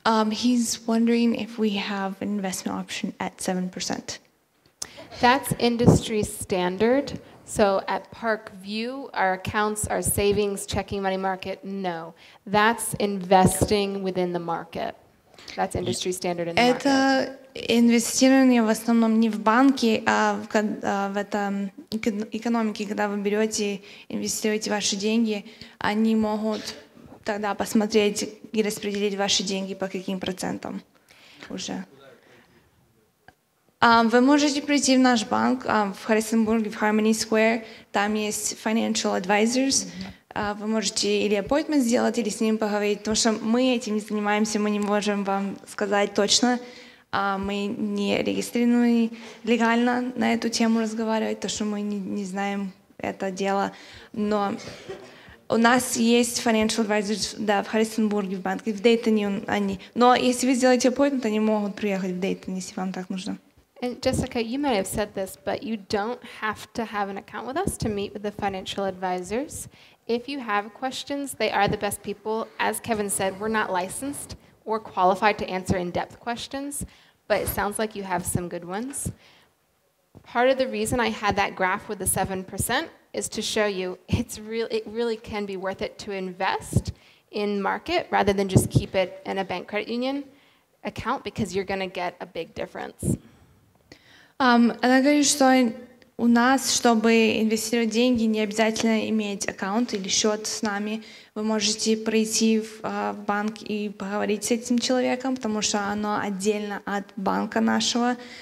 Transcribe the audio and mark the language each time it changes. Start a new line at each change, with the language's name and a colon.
English: He's wondering if we have an investment option at 7%. That's industry standard. So at Parkview, our accounts, our savings, checking, money market, no. That's investing within the market. That's industry standard in the market.
Russian: Это инвестирование в основном не в банке, а в этом экономике, когда вы берете, инвестируете ваши деньги, они могут тогда посмотреть и распределить ваши деньги по каким процентам уже. Вы можете прийти в наш банк в Харрисонбурге, в Harmony Square. Там есть financial advisors. Вы можете или appointment сделать, или с ним поговорить, потому что мы этим не занимаемся, мы не можем вам сказать точно. Мы не регистрированы легально на эту тему разговаривать, потому что мы не знаем это дело. Но у нас есть financial advisors, да, в Харрисонбурге, в банке, в Дейтоне они. Но если вы сделаете appointment, они могут приехать в Дейтон, если вам так нужно.
English: And Jessica, you might have said this, but you don't have to have an account with us to meet with the financial advisors. If you have questions, they are the best people. As Kevin said, we're not licensed or qualified to answer in-depth questions, but it sounds like you have some good ones. Part of the reason I had that graph with the 7% is to show you it really can be worth it to invest in market rather than just keep it in a bank credit union account, because you're going to get a big difference.
Russian: Она говорит, что у нас, чтобы инвестировать деньги, не обязательно иметь аккаунт или счет с нами. Вы можете прийти в банк и поговорить с этим человеком, потому что оно отдельно от банка нашего.